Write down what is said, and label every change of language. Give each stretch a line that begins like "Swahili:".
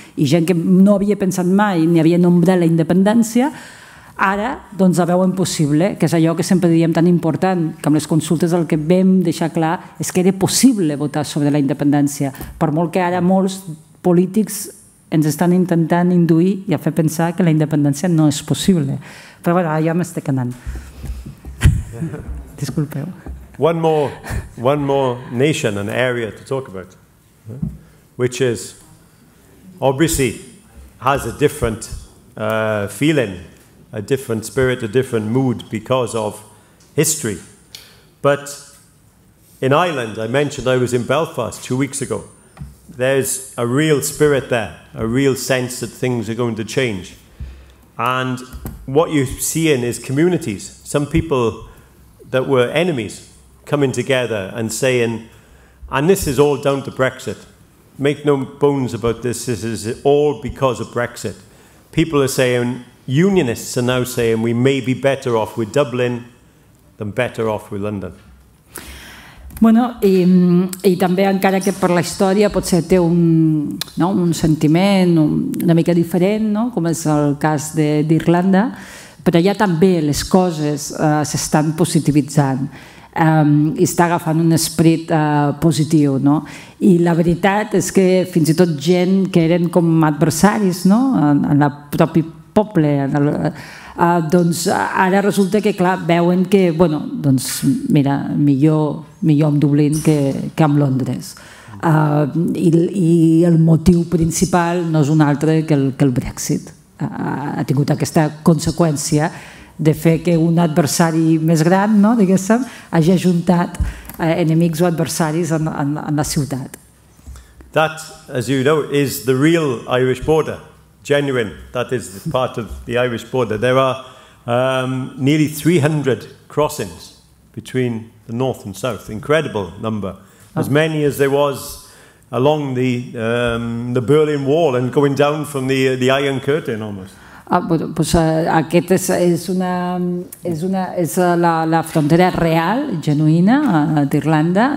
Catalan: I gent que no havia pensat mai ni havia nombrat la independència, ara, doncs, la veuen possible, que és allò que sempre diríem tan important, que amb les consultes el que vam deixar clar és que era possible votar sobre la independència, per molt que ara molts polítics ens estan intentant induir i a fer pensar que la independència no és possible. Però, bueno, ja m'estic anant. Disculpeu.
English: One more nation, an area to talk about, which is, obviously, has a different feeling, a different spirit, a different mood because of history. But in Ireland, I mentioned I was in Belfast 2 weeks ago, there's a real spirit there, a real sense that things are going to change. And what you're seeing is communities. Some people that were enemies coming together and saying, and this is all down to Brexit. Make no bones about this. This is all because of Brexit. People are saying, unionists are now saying, we may be better off with Dublin than better off with London.
Catalan: Bueno, i també, encara que per la història potser té un, no, un sentiment una mica diferent, no, com és el cas d'Irlanda, però ja també les coses s'estan positivitzant i està agafant un esperit positiu. No? I la veritat és que fins i tot gent que eren com adversaris, no, en el propi poble, en el, doncs ara resulta que, clar, veuen que, bueno, doncs mira, millor amb Dublín que amb Londres. I el motiu principal no és un altre que el Brexit. Ha tingut aquesta conseqüència de fer que un adversari més gran, no, diguéssim, hagi ajuntat enemics o adversaris en la ciutat.
English: That, as you know, is the real Irish border. Genuine, that is part of the Irish border. There are nearly 300 crossings between the north and south. Incredible number. As many as there was along the Berlin Wall and going down from the Iron Curtain almost.
Catalan: Aquest és la frontera real, genuïna, d'Irlanda.